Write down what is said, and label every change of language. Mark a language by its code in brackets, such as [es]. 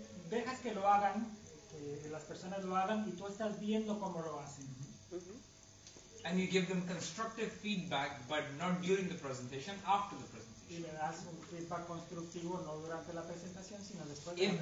[es] Dejas que lo hagan, que las personas lo hagan y tú estás viendo cómo lo hacen. [en] and you give them constructive feedback, but not during the presentation, after the presentation. [es] Y le das un feedback constructivo no durante la presentación, sino después.